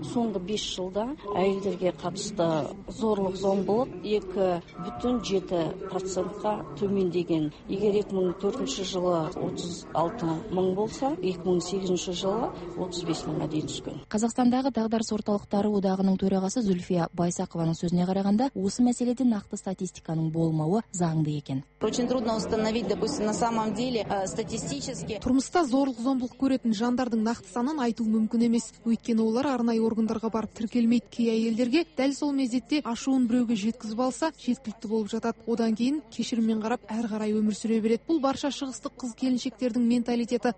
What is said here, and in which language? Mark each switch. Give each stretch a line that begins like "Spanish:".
Kazakh: Соңғы 5 жылда әйелдерге қатысты зорлық-зомбылық 2.7%-ға төмендеген. Егер 2004 жылы 36 мың болса, 2008 жылы 35 мыңға дейін түскен. Қазақстандағы дағдарыс орталықтары одағының төрағасы Зүлфия Байсақованың сөзіне қарағанда, осы мәселеде нақты статистиканың болмауы заңды екен.
Russian: Очень трудно установить, допустим, на самом деле статистически.
Kazakh: Тұрмыста зорлық-зомбылық көретін жандардың нақты санын айту мүмкін емес. Өйткені олар арнайы органдарға барып тіркелмейді. Кей әйелдерге дәл сол мезетте ашуын біреуге жеткізіп алса, жеткілікті болып жатады. Одан кейін кешіріммен қарап, әрі қарай өмір сүре береді. Бұл барша шығыстық қыз-келіншектердің менталитеті.